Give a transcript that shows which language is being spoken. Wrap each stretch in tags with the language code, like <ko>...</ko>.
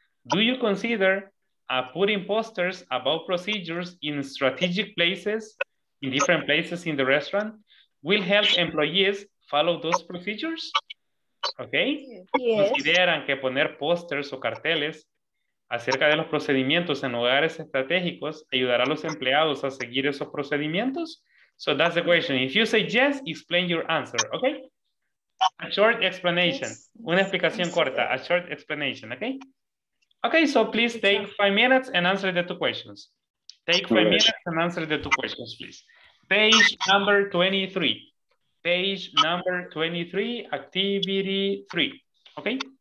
<en>Do you consider putting posters about procedures in strategic places, in different places in the restaurant, will help employees follow those procedures? Okay? Yes.</en> <es>¿Consideran que poner posters o carteles acerca de los procedimientos en lugares estratégicos ayudará a los empleados a seguir esos procedimientos?</es> <en>So that's the question. If you say yes, explain your answer, okay? A short explanation. Yes.</en> <es>Una explicación corta.</es> <en>A short explanation, okay? Okay, so please take 5 minutes and answer the two questions. Take 5 minutes and answer the two questions, please. Page number 23. Page number 23, activity 3, okay?</en>